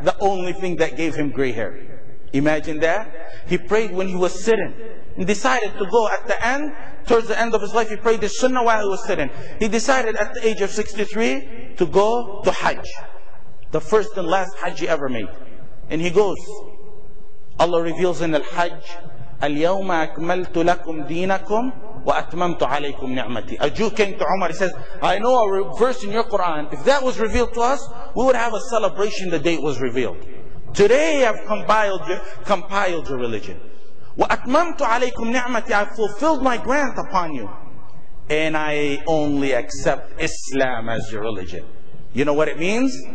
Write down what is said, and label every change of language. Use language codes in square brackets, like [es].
[en] The only thing that gave him gray hair. Imagine that. He prayed when he was sitting. He decided to go at the end, towards the end of his life, he prayed the sunnah while he was sitting. He decided at the age of 63 to go to Hajj. The first and last Hajj he ever made. And he goes. Allah reveals in al-Hajj, [ar] اليوم أكملت لكم دينكم وأتممت عليكم نعمتي. [en] A Jew came to Umar, he says, I know a verse in your Quran. If that was revealed to us, we would have a celebration the day it was revealed. Today I've compiled your religion. [ar] وَأَتْمَمْتُ عَلَيْكُمْ نِعْمَةِ [en] I fulfilled my grant upon you. And I only accept Islam as your religion. You know what it means?